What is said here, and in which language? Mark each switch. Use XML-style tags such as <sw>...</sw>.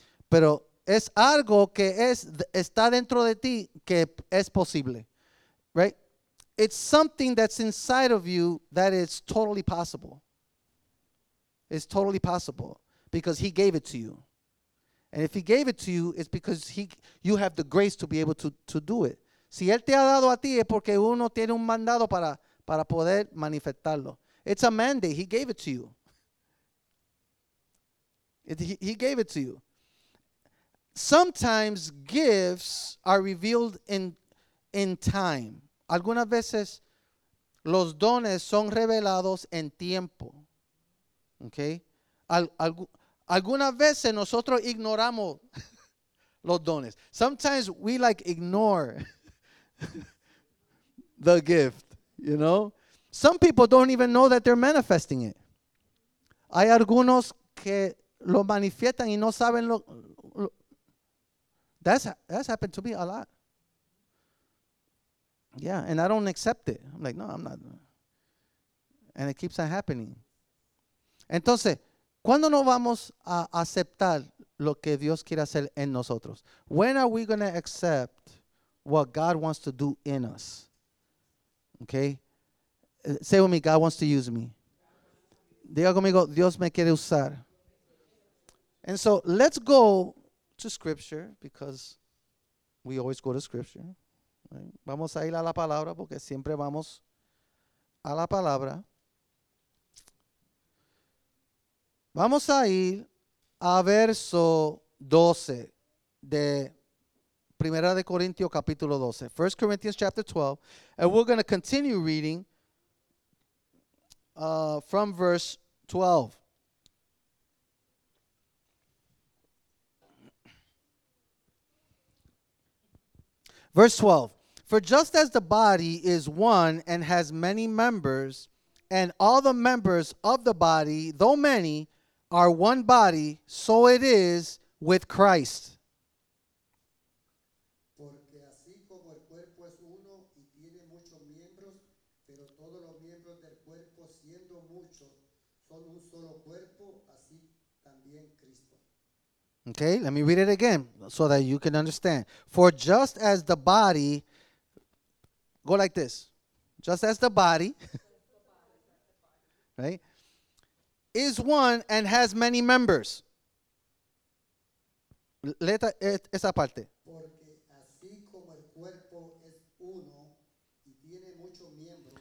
<es>Pero es algo que está dentro de ti que es posible, right?</es> <en>It's something that's inside of you that is totally possible. It's totally possible because he gave it to you. And if he gave it to you, it's because you have the grace to be able to do it.</en> <es>Si él te ha dado a ti, es porque uno tiene un mandado para poder manifestarlo.</es> <en>It's a mandate. He gave it to you. He gave it to you. Sometimes gifts are revealed in time.</en> <es>Algunas veces los dones son revelados en tiempo. Okay? Algunas veces nosotros ignoramos los dones.</es> <en>Sometimes we like ignore the gift, you know? Some people don't even know that they're manifesting it.</en> <es>Hay algunos que lo manifiestan y no saben lo.</es> <en>That's happened to me a lot. Yeah, and I don't accept it. I'm like, no, I'm not. And it keeps on happening.</en> <es>Entonces, ¿cuándo no vamos a aceptar lo que Dios quiere hacer en nosotros?</es> <en>When are we going to accept what God wants to do in us? Okay? Say with me, God wants to use me.</en> <es>Diga conmigo, Dios me quiere usar.</es> <en>And so, let's go to Scripture because we always go to Scripture.</en> <es>Vamos a ir a la palabra porque siempre vamos a la palabra. Vamos a ir a verso 12 de Primera de Corintios capítulo 12.</es> <en>1 Corinthians chapter 12. And we're going to continue reading from verse 12. Verse 12, for just as the body is one and has many members, and all the members of the body, though many, are one body, so it is with Christ.</en> <es>Porque así como el cuerpo es uno y tiene muchos miembros, pero todos los miembros del cuerpo, siendo muchos, son un solo cuerpo, así también Cristo.</es> <en>Okay, let me read it again so that you can understand. For just as the body, go like this, just as the body, right, is one and has many members.</en> <es>Leta esa parte. Porque así como el cuerpo es uno y tiene muchos miembros.</es>